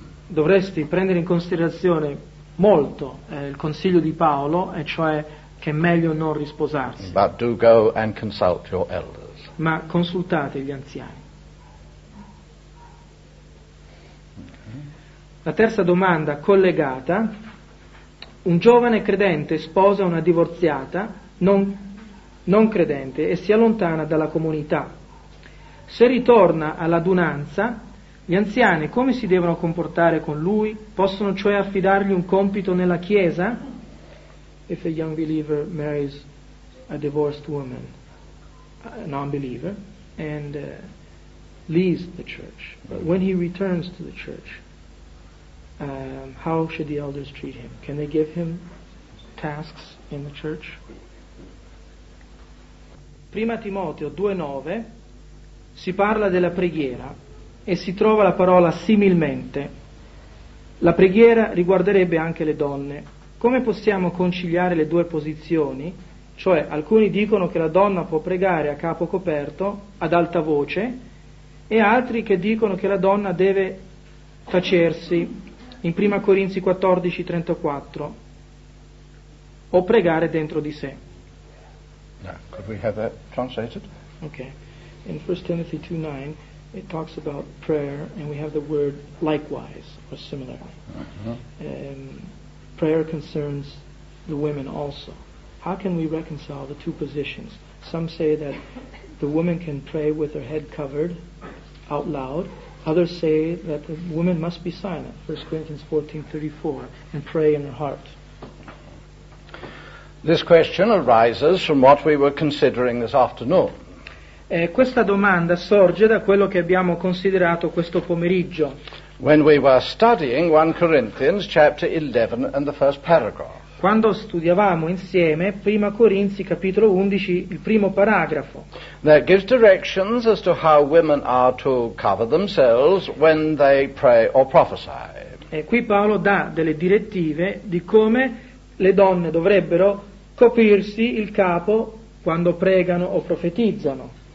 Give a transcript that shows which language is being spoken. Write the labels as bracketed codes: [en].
[it] Dovresti prendere in considerazione molto il consiglio di Paolo, e cioè che è meglio non risposarsi. [en] But do go and consult your elders. [it] Ma consultate gli anziani. La terza domanda collegata: un giovane credente sposa una divorziata non credente e si allontana dalla comunità. Se ritorna alla adunanza, gli anziani come si devono comportare con lui? Possono cioè affidargli un compito nella chiesa? [en] If a young believer marries a divorced woman, a non-believer, and leaves the church, when he returns to the church, how should the elders treat him? Can they give him tasks in the church? [it] Prima Timoteo 2:9 si parla della preghiera e si trova la parola similmente. La preghiera riguarderebbe anche le donne. Come possiamo conciliare le due posizioni? Cioè, alcuni dicono che la donna può pregare a capo coperto, ad alta voce, e altri che dicono che la donna deve tacersi. In Prima Corinzi 14:34, o pregare dentro di sé. [en] No, could we have that translated? Okay. In 1 Timothy 2:9, it talks about prayer, and we have the word likewise or similar. Mm-hmm. Prayer concerns the women also. How can we reconcile the two positions? Some say that the woman can pray with her head covered out loud. Others say that the woman must be silent, 1 Corinthians 14:34, and pray in her heart. This question arises from what we were considering this afternoon. [it] Questa domanda sorge da quello che abbiamo considerato questo pomeriggio. [en] When we were studying 1 Corinthians chapter 11 and the first paragraph. [it] Quando studiavamo insieme Prima Corinzi capitolo 11, il primo paragrafo. [en] That gives directions as to how women are to cover themselves when they pray or prophesy. [it] E qui Paolo dà delle direttive di come le donne dovrebbero coprirsi il capo quando pregano o profetizzano.